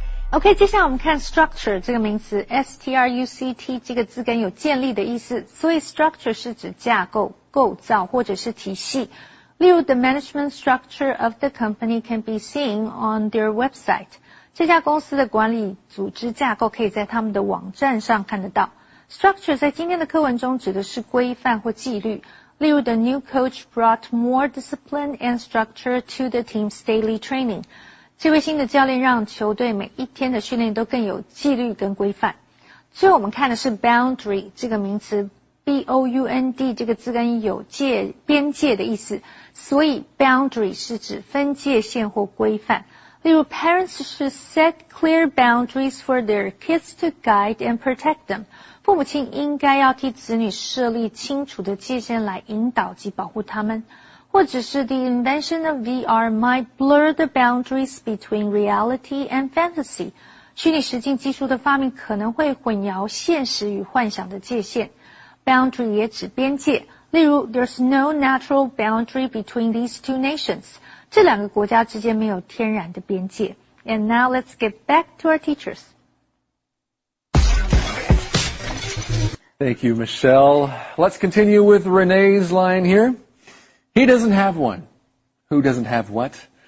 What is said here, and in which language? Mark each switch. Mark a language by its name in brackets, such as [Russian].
[Chinese] OK, 接下来我们看 structure 这个名词 ,S-T-R-U-C-T 这个字根有建立的意思。所以 structure 是指架构、构造或者是体系。例如 [English] ,the management structure of the company can be seen on their website. [Chinese] 这家公司的管理组织架构可以在他们的网站上看得到。 Structure 在今天的课文中指的是规范或纪律。例如 [English] ,the new coach brought more discipline and structure to the team's daily training. [Chinese] 这位新的教练让球队每一天的训练都更有纪律跟规范。最后我们看的是 boundary 这个名词 ,B-O-U-N-D 这个字根有界边界的意思。所以 boundary 是指分界线或规范。例如 [English] ,parents should set clear boundaries for their kids to guide and protect them. [Chinese] 父母亲应该要替子女设立清楚的界限来引导及保护他们。或者是 [English] the invention of VR might blur the boundaries between reality and fantasy. [Chinese] 虚拟实境技术的发明可能会混淆现实与幻想的界限。 Boundary 也指边界。例如 [English] there's no natural boundary between these two nations. [Chinese] 这两个国家之间没有天然的边界。 [English] And now let's get back to our teachers. Thank you, Michelle. Let's continue with Renee's line here. He doesn't have one. Who doesn't have what?